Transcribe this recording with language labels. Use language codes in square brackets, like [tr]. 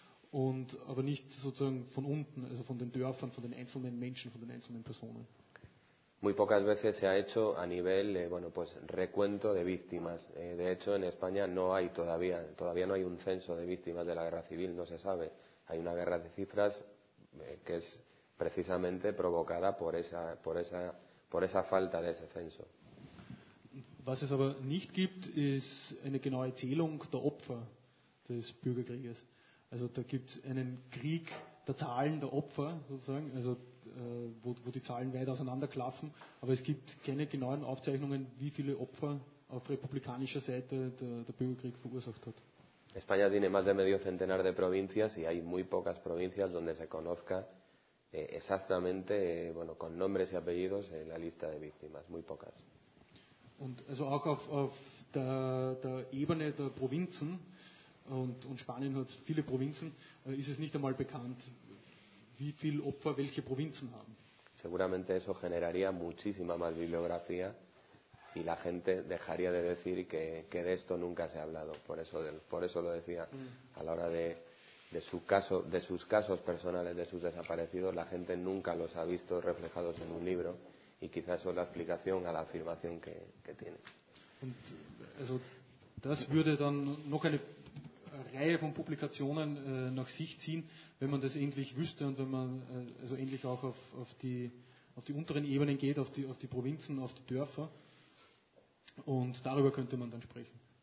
[de] Und aber nicht sozusagen von unten, also von den Dörfern, von den einzelnen Menschen, von den einzelnen Personen. [es] Muy pocas veces se ha hecho a nivel, recuento de víctimas. De hecho, en España no hay todavía no hay un censo de víctimas de la guerra civil, no se sabe. Hay una guerra de cifras que es precisamente provocada por esa falta de ese censo. [de] Was es aber nicht gibt, ist eine genaue Zählung der Opfer des Bürgerkrieges. Also da gibt es einen Krieg der Zahlen der Opfer sozusagen, also wo die Zahlen weit auseinanderklaffen, aber es gibt keine genauen Aufzeichnungen, wie viele Opfer auf republikanischer Seite der Bürgerkrieg verursacht hat. [es] España tiene más de medio centenar de provincias y hay muy pocas provincias donde se conozca exactamente, con nombres y apellidos en la lista de víctimas, muy pocas. [de] Und also auch auf der Ebene der Provinzen. Und Spanien hat viele Provinzen, ist es nicht einmal bekannt, wie viele Opfer welche Provinzen haben. [es] Seguramente eso generaría muchísima más bibliografía y la gente dejaría de decir que de esto nunca se ha hablado. Por eso lo decía a la hora de sus casos personales, de sus desaparecidos, la gente nunca los ha visto reflejados en un libro y quizás eso es la explicación a la afirmación que tiene. [de] Und, also, das würde dann noch eine Reihe von Publikationen nach sich ziehen, wenn man das endlich wüsste und wenn man also endlich auch auf die unteren Ebenen geht, auf die Provinzen, auf die Dörfer. Und darüber könnte man dann sprechen.